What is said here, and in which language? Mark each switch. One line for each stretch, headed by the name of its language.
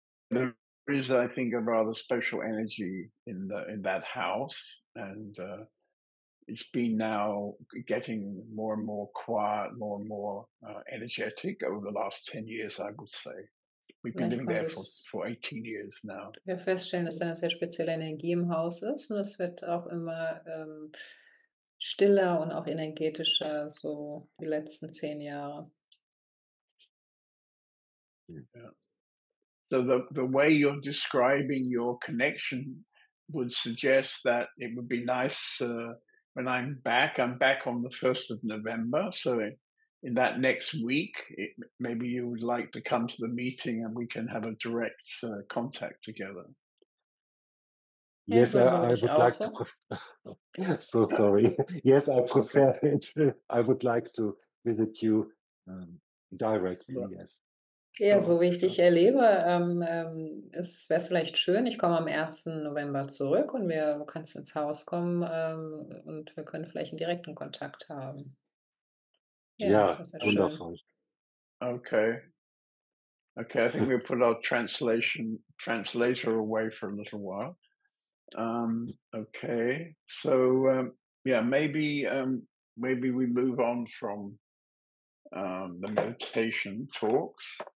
English: There is, I think, a rather special energy in that house, and it's been now getting more and more quiet, more and more energetic over the last 10 years, I would say. We've been living there for 18 years now.
German: Wir feststellen, dass da eine sehr spezielle Energie im Haus ist und es wird auch immer stiller und auch energetischer, so die letzten 10 Jahre.
English: Yeah. So the way you're describing your connection would suggest that it would be nice when I'm back on the 1st of November, so in that next week, maybe you would like to come to the meeting and we can have a direct contact together. Yes, I would like to. So sorry. Yes, I prefer it. I would like to visit you directly, yeah. Yes.
German: Ja, so wie ich dich erlebe, wäre es vielleicht schön, ich komme am 1. November zurück und du kannst ins Haus kommen und wir können vielleicht einen direkten Kontakt haben. Ja, das wäre wundervoll. Schön.
English: Okay, I think we'll put our translator away for a little while. Okay, so yeah, maybe we move on from the meditation talks.